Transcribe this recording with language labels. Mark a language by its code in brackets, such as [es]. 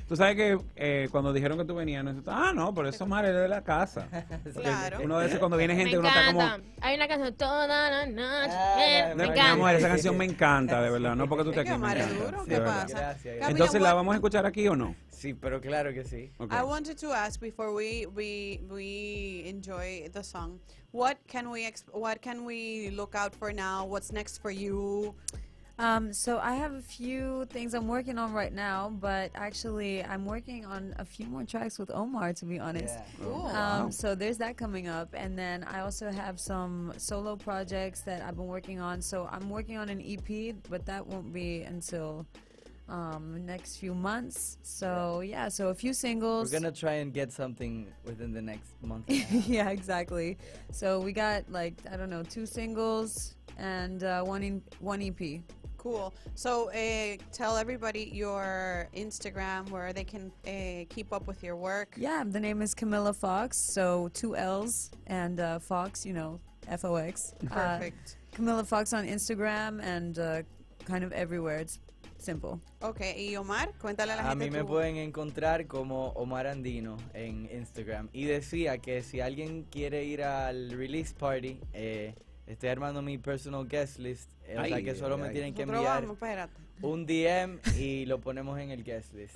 [es] Tú sabes que cuando dijeron que tú venías, no, ah, no, por eso Mar es de la casa. Claro. Uno de esos cuando viene gente, uno está como... Hay una canción toda la noche. Me encanta. Mi amor, esa canción me encanta, de verdad. No porque tú estés aquí. Mar, encanta, es duro. Sí, ¿qué pasa? Gracias. Entonces, ¿la vamos a escuchar aquí o no? Sí, pero claro que sí. [en] Okay. I wanted to ask before we enjoy the song. What can we look out for now? What's next for you? So I have a few things I'm working on right now, but actually I'm working on a few more tracks with Omar, to be honest. Yeah. Ooh, wow. So there's that coming up. And then I also have some solo projects that I've been working on. So I'm working on an EP, but that won't be until next few months. So yeah, so a few singles. We're going to try and get something within the next month. Yeah, exactly. So we got like, I don't know, 2 singles and one EP. Cool. So tell everybody your Instagram where they can keep up with your work. Yeah, the name is Camila Fox. So 2 L's and Fox, you know, F-O-X. Perfect. Camila Fox on Instagram and kind of everywhere. It's simple. [es] Okay. Y Omar, cuéntale a la gente. A mí me pueden encontrar como Omar Andino en Instagram. Y decía que si alguien quiere ir al [en] release party, [es] estoy armando mi [en] personal guest list. [es] O sea, que solo me tienen que enviar un DM y lo ponemos en el [en] guest list.